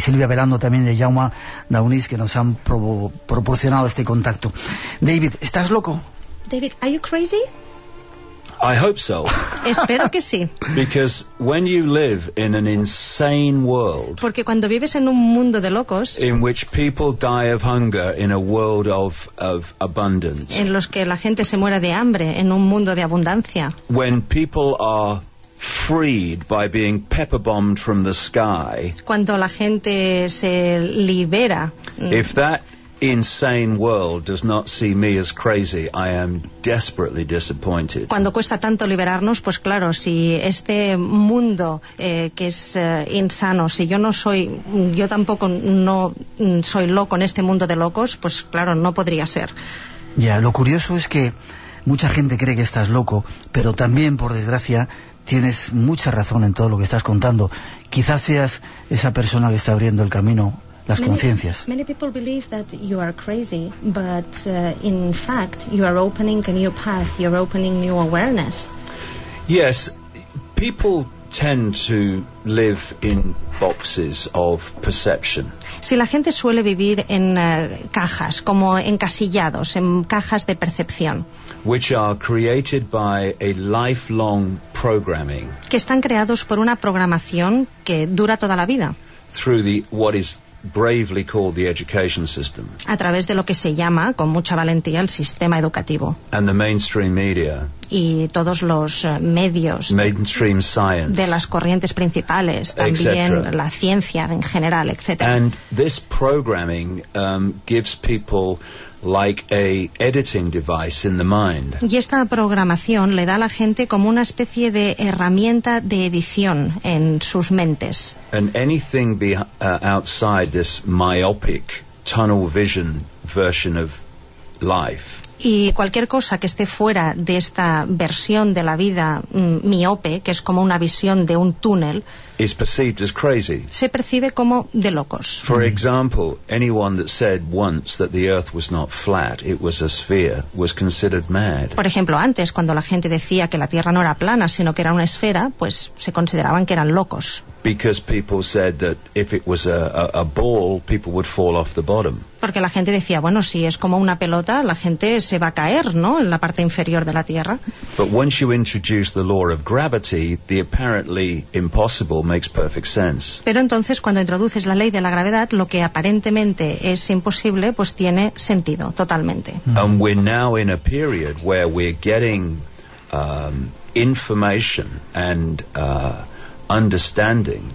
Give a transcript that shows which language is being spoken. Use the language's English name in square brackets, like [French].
[Spanish] Silvia Velando también de Jaume Daunis, que nos han proporcionado este contacto. David, ¿estás loco? [English] David, are you crazy? I hope so. [Spanish] Espero que sí. [English] Because when you live in an insane world, [Spanish] porque cuando vives en un mundo de locos, [English] in which people die of hunger in a world of abundance, [Spanish] en los que la gente se muere de hambre en un mundo de abundancia, [English] when people are freed by being pepper bombed from the sky, [Spanish] cuando la gente se libera, [English] if that insane world does not see me as crazy, I am desperately disappointed. [Spanish] Cuando cuesta tanto liberarnos, pues claro, si este mundo que es insano, si yo no soy, yo tampoco no soy loco en este mundo de locos, pues claro, no podría ser. Ya, lo curioso es que mucha gente cree que estás loco, pero también, por desgracia, tienes mucha razón en todo lo que estás contando. Quizás seas esa persona que está abriendo el camino. Las conciencias. [English] Many people believe that you are crazy, but in fact, you are opening a new path, you're opening new awareness. Yes, people tend to live in boxes of perception. [Spanish] Sí, la gente suele vivir en cajas, como encasillados, en cajas de percepción. [English] Which are created by a lifelong programming. [Spanish] Que están creados por una programación que dura toda la vida. [English] Through the what is bravely called the education system. [Spanish] A través de lo que se llama con mucha valentía el sistema educativo. [English] And the mainstream media. [Spanish] y todos los medios [English] mainstream science, [Spanish] de las corrientes principales, también la ciencia en general, etc. [English] And this programming gives people like a editing device in the mind. [Spanish] Y esta programación le da a la gente como una especie de herramienta de edición en sus mentes. [English] And anything outside this myopic tunnel vision version of life. [Spanish] Y cualquier cosa que esté fuera de esta versión de la vida miope, que es como una visión de un túnel, [English] is perceived as crazy. [Spanish] Se percibe como de locos. [English] For example, anyone that said once that the earth was not flat, it was a sphere, was considered mad. [Spanish] Por ejemplo, antes, cuando la gente decía que la Tierra no era plana, sino que era una esfera, pues se consideraban que eran locos. [English] Because people said that if it was a ball, people would fall off the bottom. [Spanish] Porque la gente decía, bueno, si es como una pelota, la gente se va a caer, ¿no?, en la parte inferior de la Tierra. [English] But once you introduce the law of gravity, the apparently impossible makes perfect sense. [Spanish] Pero entonces, cuando introduces la ley de la gravedad, lo que aparentemente es imposible, pues tiene sentido totalmente. [English] And we're now in a period where we're getting information and understanding.